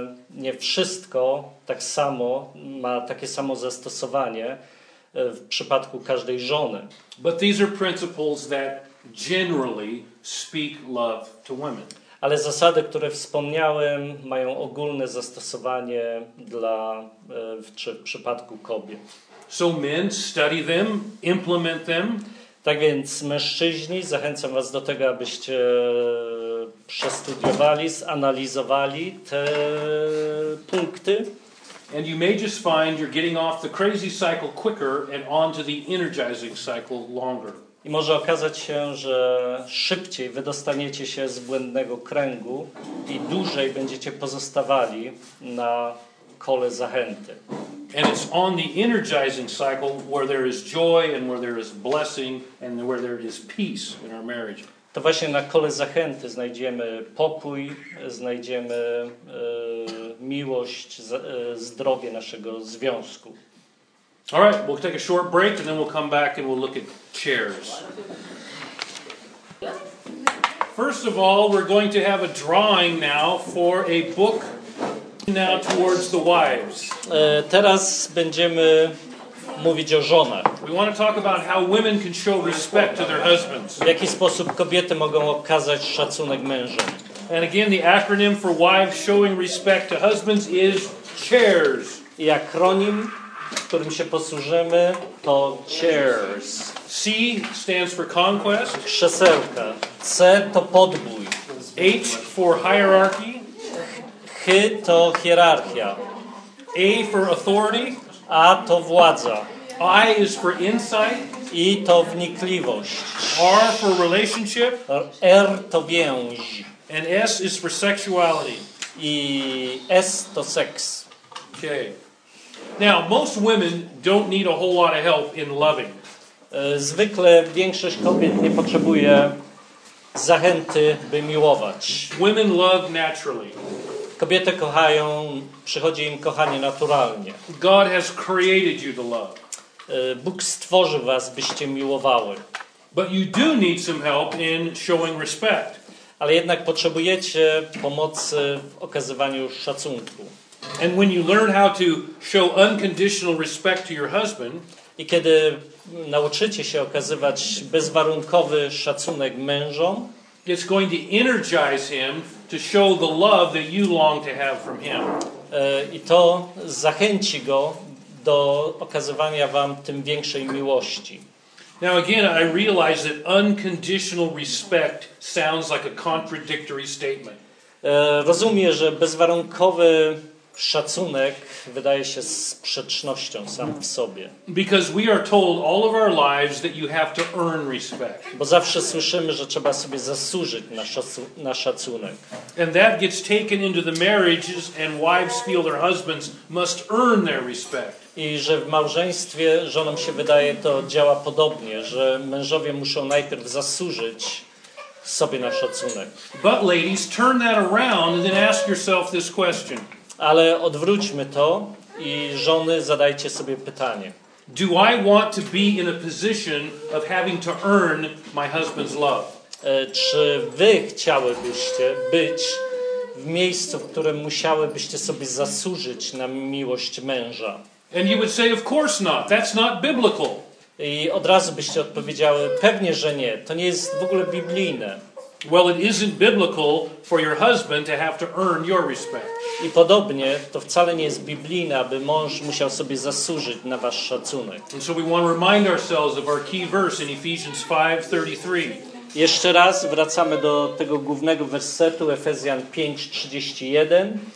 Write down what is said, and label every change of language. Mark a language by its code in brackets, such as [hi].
[pl] Nie wszystko tak samo ma takie samo zastosowanie w przypadku każdej żony. [en] But these are principles that generally speak love to women. [pl] Ale zasady, które wspomniałem, mają ogólne zastosowanie dla w przypadku kobiet. [en] So men, study them, implement them. [pl] Tak więc mężczyźni, zachęcam was do tego, abyście przestudiowali, zanalizowali te punkty. [en] And you may just find you're getting off the crazy cycle quicker and onto the energizing cycle longer. [pl] I może okazać się, że szybciej wydostaniecie się z błędnego kręgu i dłużej będziecie pozostawali na kole zachęty. [en] And it's on the energizing cycle where there is joy and where there is blessing and where there is peace in our marriage. [pl] To właśnie na kole zachęty znajdziemy pokój, znajdziemy miłość, zdrowie naszego związku. [en] All right, we'll take a short break and then we'll come back and we'll look at chairs. First of all, we're going to have a drawing now for a book now towards the wives. [pl] Teraz będziemy mówić o żonach. [en] We want to talk about how women can show respect to their husbands. [pl] W jaki sposób kobiety mogą okazać szacunek mężom. [en] And again, the acronym for wives showing respect to husbands is CHAIRS. [pl] I akronim, którym się posłużymy, to CHAIRS. [en] C stands for conquest. [pl] Krzesełka. C to podbój. [en] H for hierarchy. [pl] H to hierarchia. [en] A for authority. [pl] A to władza. [en] I is for insight. [pl] I to wnikliwość. [en] R for relationship. [pl] R to więź. [en] And S is for sexuality. [pl] I S to seks. [en] Okay. Now, most women don't need a whole lot of help in loving. [pl] Zwykle większość kobiet nie potrzebuje zachęty, by miłować. [en] Women love naturally. [pl] Kobiety kochają, przychodzi im kochanie naturalnie. [en] God has created you to love. [pl] Bóg stworzył was, byście miłowały. [en] But you do need some help in showing respect. [pl] Ale jednak potrzebujecie pomocy w okazywaniu szacunku. [en] And when you learn how to show unconditional respect to your husband, [pl] i kiedy nauczycie się okazywać bezwarunkowy szacunek mężom, [en] it's going to energize him to show the love that you long to have from him. [pl] I to zachęci go do okazywania wam tym większej miłości. [en] Now again, I realize that unconditional respect sounds like a contradictory statement. [pl] Rozumiem, że bezwarunkowy szacunek wydaje się sprzecznością sam w sobie. [en] Because we are told all of our lives that you have to earn respect. [pl] Bo zawsze słyszymy, że trzeba sobie zasłużyć na na szacunek. [en] And that gets taken into the marriages and wives feel their husbands must earn their respect. [pl] I że w małżeństwie żonom się wydaje, to działa podobnie, że mężowie muszą najpierw zasłużyć sobie na szacunek. [en] But ladies, turn that around and then ask yourself this question. [pl] Ale odwróćmy to i żony, zadajcie sobie pytanie. [en] Do I want to be in a position of having to earn my husband's love? [pl] Czy wy chciałybyście być w miejscu, w którym musiałybyście sobie zasłużyć na miłość męża? [en] And you would say, of course not. That's not biblical. [pl] I od razu byście odpowiedziały, pewnie, że nie. To nie jest w ogóle biblijne. [en] Well, it isn't biblical for your husband to have to earn your respect. [pl] I podobnie, to wcale nie jest biblijne, aby mąż musiał sobie zasłużyć na wasz szacunek. [en] And so we want to remind ourselves of our key verse in Ephesians 5:33. [pl] Jeszcze raz wracamy do tego głównego wersetu Efezjan 5:31.